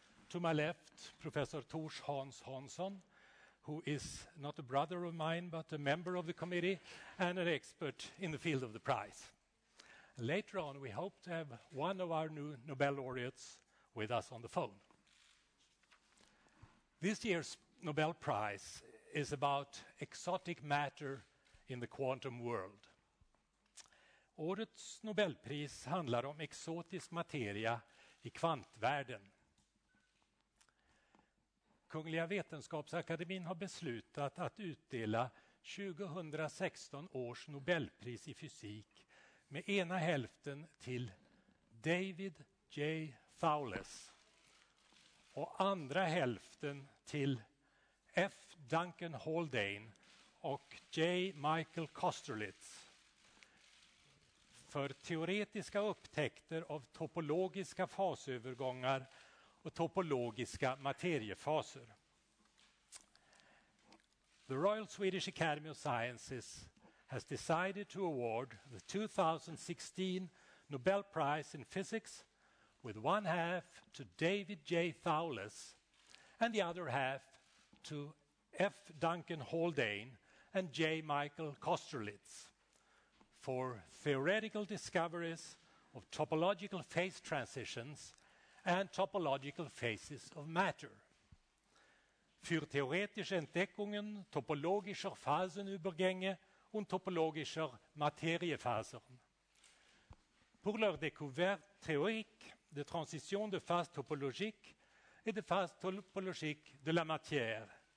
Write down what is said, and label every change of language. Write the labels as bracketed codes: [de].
[en] To my left, Professor Tors Hans Hansson, who is not a brother of mine, but a member of the committee and an expert in the field of the prize. Later on, we hope to have one of our new Nobel laureates with us on the phone. This year's Nobel Prize is about exotic matter in the quantum world. [sv] Årets Nobelpris handlar om exotisk materia i kvantvärlden. Kungliga vetenskapsakademin har beslutat att utdela 2016 års Nobelpris i fysik med ena hälften till David J. Fowles och andra hälften till F. Duncan Haldane och J. Michael Kosterlitz för teoretiska upptäckter av topologiska fasövergångar och topologiska materiefaser. [en] The Royal Swedish Academy of Sciences has decided to award the 2016 Nobel Prize in Physics with one half to David J. Fowles and the other half to F. Duncan Haldane and J. Michael Kosterlitz for theoretical discoveries of topological phase transitions and topological phases of matter. [de] För theoretische Entdeckungen topologischer Phasenübergänge und topologischer Materiefasern. [fr] Pour leur découverte théorique de transition de phase topologique et de phase topologique de la matière.